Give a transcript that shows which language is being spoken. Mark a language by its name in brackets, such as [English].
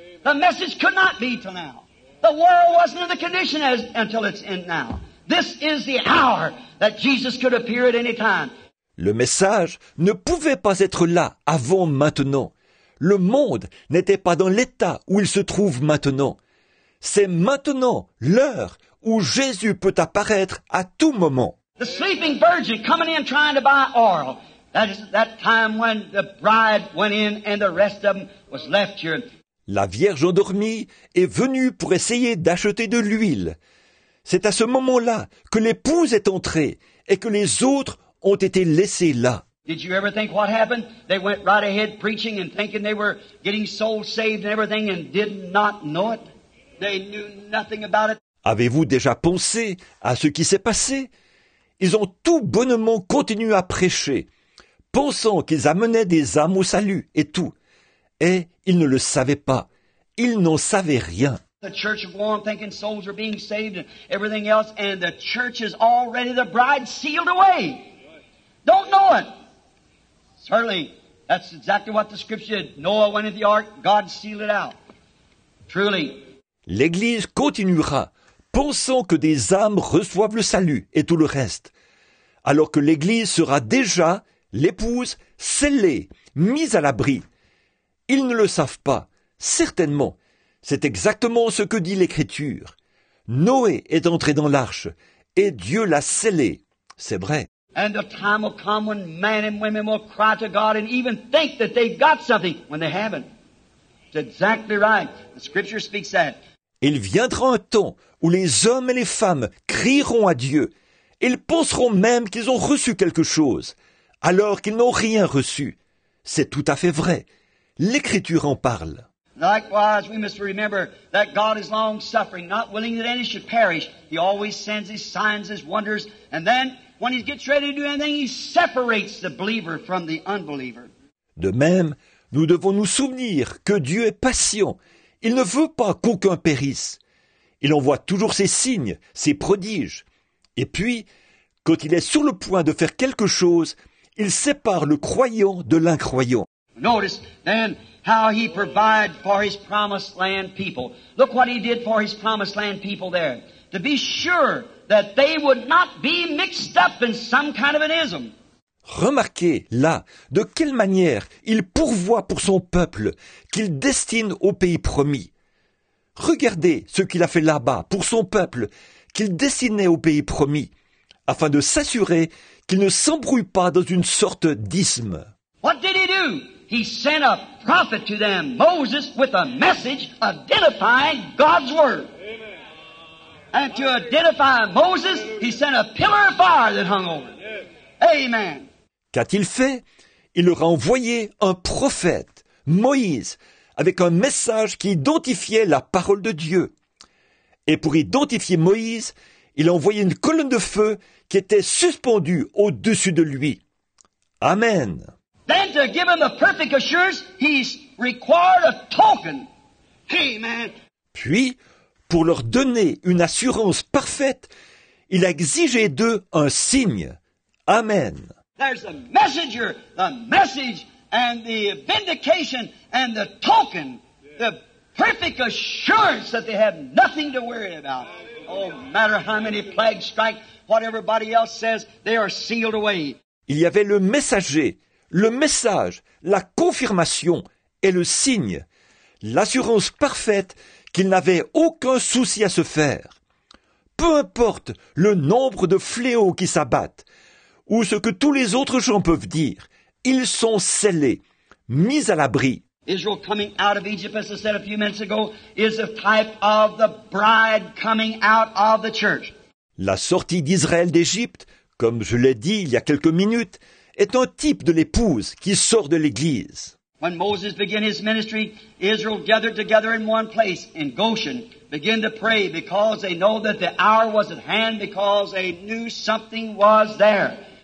[English] The message could not be till now. The world wasn't in the condition as until it's in now. This is the hour that Jesus could appear at any time. [French] Le message ne pouvait pas être là avant maintenant. Le monde n'était pas dans l'état où il se trouve maintenant. C'est maintenant l'heure où Jésus peut apparaître à tout moment. [English] The sleeping virgin coming in trying to buy oil. That is that time when the bride went in and the rest of them was left here. [French] La Vierge endormie est venue pour essayer d'acheter de l'huile. C'est à ce moment-là que l'épouse est entrée et que les autres ont été laissés là. [English] Did you ever think what happened? They went right ahead preaching and thinking they were getting souls saved and everything and did not know it. They knew nothing about it. [French] Avez-vous déjà pensé à ce qui s'est passé? Ils ont tout bonnement continué à prêcher, pensant qu'ils amenaient des âmes au salut et tout. Et ils ne le savaient pas. Ils n'en savaient rien. [English] The church is warm, thinking souls are being saved and everything else, and the church is already the bride sealed away. Don't know it. Certainly, that's exactly what the scripture did. Noah went into the ark, God sealed it out. Truly. [French] L'Église continuera, pensant que des âmes reçoivent le salut et tout le reste. Alors que l'Église sera déjà l'épouse scellée, mise à l'abri. Ils ne le savent pas, certainement. C'est exactement ce que dit l'Écriture. Noé est entré dans l'arche et Dieu l'a scellé. C'est vrai. [English] And the time will come when men and women will cry to God and even think that they've got something when they haven't. It's exactly right. The Scripture speaks that. [French] Il viendra un temps où les hommes et les femmes crieront à Dieu. Ils penseront même qu'ils ont reçu quelque chose, alors qu'ils n'ont rien reçu. C'est tout à fait vrai. L'Écriture en parle. [English] Likewise, we must remember that God is long-suffering, not willing that any should perish. He always sends His signs, His wonders, and then, when He gets ready to do anything, He separates the believer from the unbeliever. [French] De même, nous devons nous souvenir que Dieu est patient. Il ne veut pas qu'aucun périsse. Il envoie toujours ses signes, ses prodiges. Et puis, quand il est sur le point de faire quelque chose, il sépare le croyant de l'incroyant. [English] Notice then how he provided for his promised land people. Look what he did for his promised land people there. To be sure that they would not be mixed up in some kind of an ism. [French] Remarquez là de quelle manière il pourvoit pour son peuple qu'il destine au pays promis. Regardez ce qu'il a fait là-bas pour son peuple qu'il destinait au pays promis, afin de s'assurer qu'il ne s'embrouille pas dans une sorte d'isme. [English] What did he do? He sent a prophet to them, Moses, with a message identifying God's word. Amen. And to identify Moses, he sent a pillar of fire that hung over. Amen. [French] Qu'a-t-il fait? Il leur a envoyé un prophète, Moïse, avec un message qui identifiait la parole de Dieu. Et pour identifier Moïse, il a envoyé une colonne de feu qui était suspendue au-dessus de lui. Amen. [English] Then to give him the perfect assurance, he's required a token. Amen. [French] Puis, pour leur donner une assurance parfaite, il a exigé d'eux un signe. Amen. [English] There's the messenger, the message, and the vindication, and the token. The perfect assurance that they have nothing to worry about. No matter how many plagues strike, what everybody else says, they are sealed away. [French] Il y avait le messager. Le message, la confirmation et le signe, l'assurance parfaite qu'il n'avait aucun souci à se faire. Peu importe le nombre de fléaux qui s'abattent ou ce que tous les autres gens peuvent dire, ils sont scellés, mis à l'abri. [English] Israel coming out of Egypt, as I said a few minutes ago, is a type of the bride coming out of the church. [French] La sortie d'Israël d'Égypte, comme je l'ai dit il y a quelques minutes, est un type de l'épouse qui sort de l'Église. [English] When Moses began his ministry, Israel gathered together in one place, in Goshen, began to pray because they know that the hour was at hand because they knew something was there.